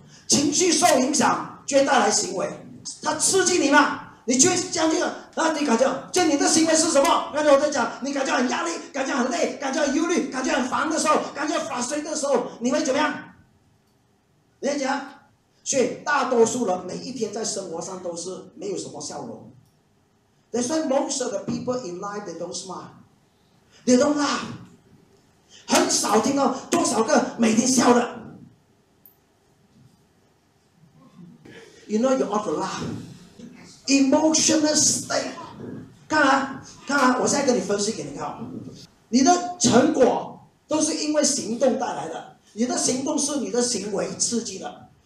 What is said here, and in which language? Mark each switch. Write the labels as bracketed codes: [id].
[zh] 情绪受影响就会带来行为，它刺激你嘛，你就会这样去，然后你感觉，就你的行为是什么？刚才我在讲，你感觉很压力，感觉很累，感觉很忧虑，感觉很烦的时候，感觉发衰的时候，你会怎么样？你会怎样？所以大多数人每一天在生活上都是没有什么笑容。 [en] That's why most of the people in life they don't smile, they don't laugh。 [zh] 很少听到多少个每天笑的。 [en] You know you ought to laugh. Emotional state. [zh] 看啊，我现在跟你分析给你看。你的成果都是因为行动带来的，你的行动是你的行为刺激的。